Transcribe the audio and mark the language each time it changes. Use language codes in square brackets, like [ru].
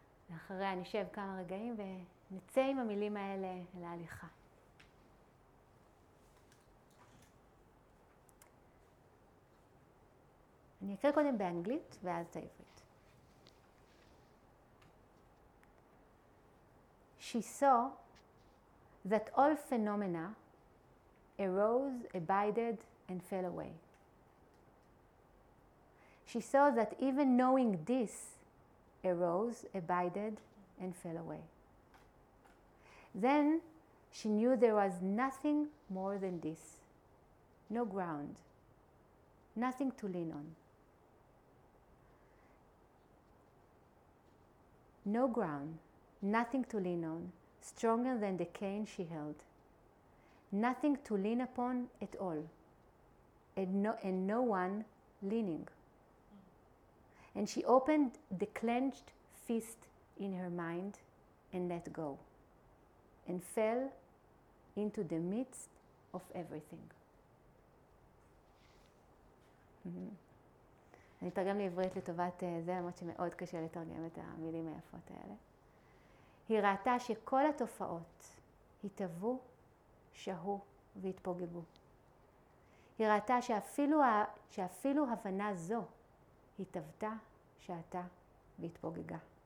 [he] ואחריה נשב כמה רגעים ונצא עם המילים האלה להליכה. אני אקרא קודם באנגלית ואז את העברית. [en] She saw that all phenomena arose, abided, and fell away. She saw that even knowing this arose, abided, and fell away. Then she knew there was nothing more than this. No ground. Nothing to lean on. No ground, nothing to lean on, stronger than the cane she held. Nothing to lean upon at all, and no one leaning. And she opened the clenched fist in her mind and let go, and fell into the midst of everything. [he] אני אתרגם לעברית לטובת זה, למרות שמאוד קשה לתרגם את המילים היפות האלה. היא ראתה שכל התופעות התהוו, שהו והתפוגגו. היא ראתה שאפילו הבנה זו התהוותה, שעתה והתפוגגה.